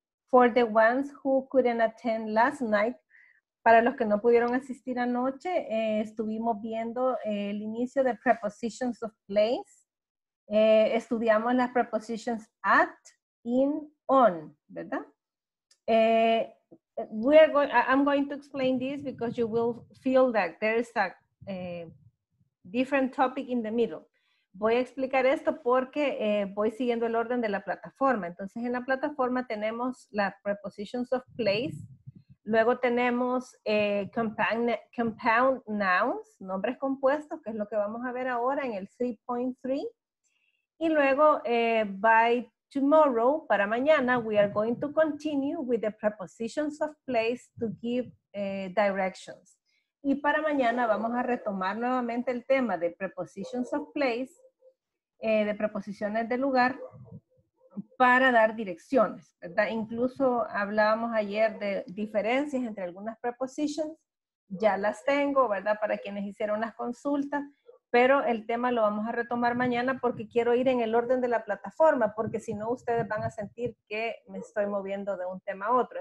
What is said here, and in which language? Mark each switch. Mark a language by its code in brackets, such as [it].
[en] For the ones who couldn't attend last night, [es] para los que no pudieron asistir anoche, estuvimos viendo el inicio de prepositions of place. Estudiamos las prepositions at, in, on, ¿verdad? [en] I'm going to explain this because you will feel that there is a different topic in the middle. [es] Voy a explicar esto porque voy siguiendo el orden de la plataforma. Entonces, en la plataforma tenemos las prepositions of place. Luego tenemos compound nouns, nombres compuestos, que es lo que vamos a ver ahora en el 3.3. Y luego, [en] by tomorrow, [es] para mañana, [en] we are going to continue with the prepositions of place to give directions. [es] Y para mañana vamos a retomar nuevamente el tema de prepositions of place, de preposiciones de lugar, para dar direcciones, ¿verdad? Incluso hablábamos ayer de diferencias entre algunas prepositions. Ya las tengo, ¿verdad? Para quienes hicieron las consultas. Pero el tema lo vamos a retomar mañana porque quiero ir en el orden de la plataforma, porque si no, ustedes van a sentir que me estoy moviendo de un tema a otro.